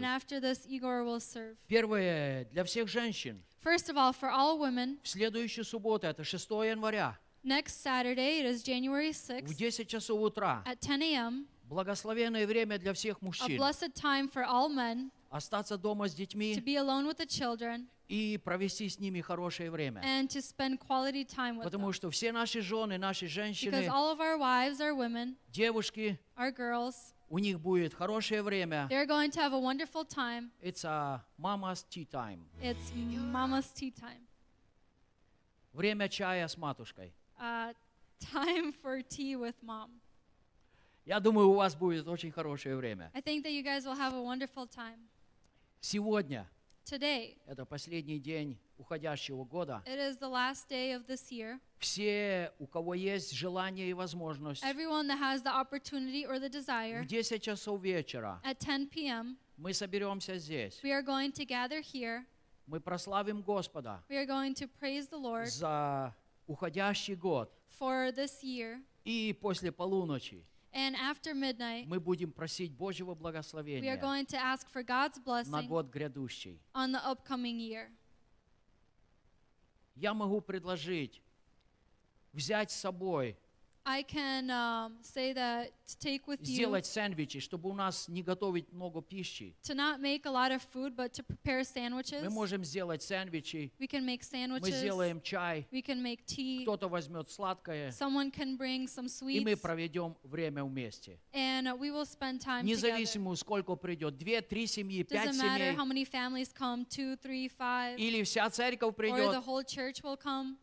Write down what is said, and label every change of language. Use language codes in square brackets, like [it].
[en] And after this, Igor will serve. [ru] Первое, для всех женщин. [en] First of all, for all women. [ru] В следующую субботу, это 6 января. [en] Next Saturday, it is January 6th. [ru] В 10 часов утра. [en] At 10 a.m. [ru] Благословенное время для всех мужчин. [en] A blessed time for all men. [ru] Остаться дома с детьми. [en] To be alone with the children. [ru] И провести с ними хорошее время. [en] And to spend quality time with [ru] Потому [en] them. [ru] Что все наши жены, наши женщины, [en] Because all of our wives, our women, [ru] девушки, [en] our girls, [ru] у них будет хорошее время. [en] They're going to have a wonderful time. It's a mama's tea time. It's mama's tea time. [ru] Время чая с матушкой. [en] Time for tea with mom. [ru] Я думаю, у вас будет очень хорошее время. [en] I think that you guys will have a wonderful time. [ru] Сегодня. [en] Today, [ru] это последний день уходящего года. [en] It is the last day of this year. [ru] Все, у кого есть желание и возможность. [en] Everyone that has the opportunity or the desire. [ru] В 10 часов вечера. [en] At 10 p.m. [ru] Мы соберемся здесь. [en] We are going to gather here. [ru] Мы прославим Господа. [en] We are going to praise the Lord. [ru] За уходящий год. [en] For this year. [ru] И после полуночи. [en] And after midnight, [ru] мы будем просить Божьего благословения. [en] We are going to ask for God's blessing [ru] на год грядущий. [en] On the upcoming year. [ru] Я могу предложить взять с собой. [en] I can say that to take with [ru] сделать [en] you. [ru] Сделать сэндвичи, чтобы у нас не готовить много пищи. [en] To not make a lot of food, but to prepare sandwiches. [ru] Мы можем сделать сэндвичи. [en] We can make sandwiches. [ru] Мы сделаем чай. [en] We can make tea. [ru] Кто-то возьмет сладкое. [en] Someone can bring some sweets. [ru] И мы проведем время вместе. [en] And we will spend time together. [ru] Независимо, сколько придет, две, три семьи, пять семей. [en] Doesn't matter how many families come, two, three, five. [ru] Или вся церковь придет. Or the whole church will come.